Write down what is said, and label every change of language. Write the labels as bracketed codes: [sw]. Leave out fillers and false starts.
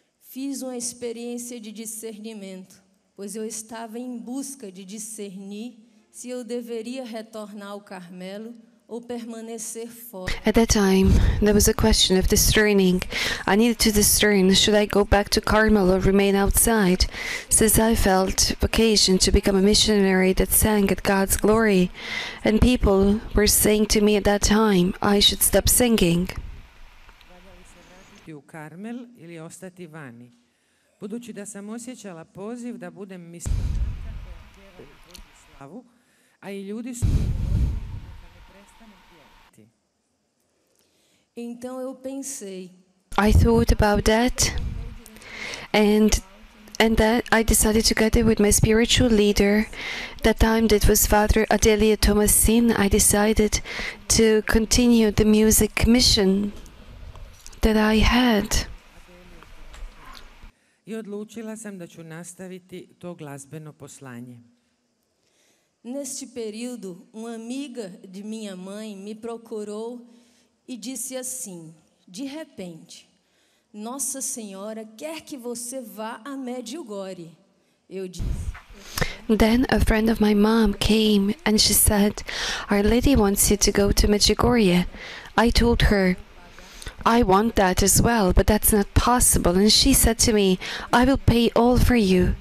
[pt] Fiz uma experiência de discernimento, pois eu estava em busca de discernir se eu deveria retornar ao Carmelo ou permanecer fora. [en] At that time, there was a question of discerning. I needed to discern, should I go back to Carmel or remain outside, since I felt vocation to become a missionary that sang at God's glory, and people were saying to me at that time, I should stop singing. [hr] U Carmel ili ostati vani. Budući da sam osjećala poziv da budem misionarka, a i ljudi su [pt] Então eu pensei. [en] I thought about that, and that I decided together with my spiritual leader. That time it was Father Adelia Tomasin. I decided to continue the music mission that I had. [hr] I odlučila sam da ću nastaviti to glazbeno poslanje. [pt] Neste período, uma amiga de minha mãe me procurou e disse assim, de repente, Nossa Senhora quer que você vá a Medjugorje. Eu disse. [en] Then a friend of my mom came and she said, Our Lady wants you to go to Medjugorje. I told her, I want that as well, but that's not possible. And she said to me, I will pay all for you.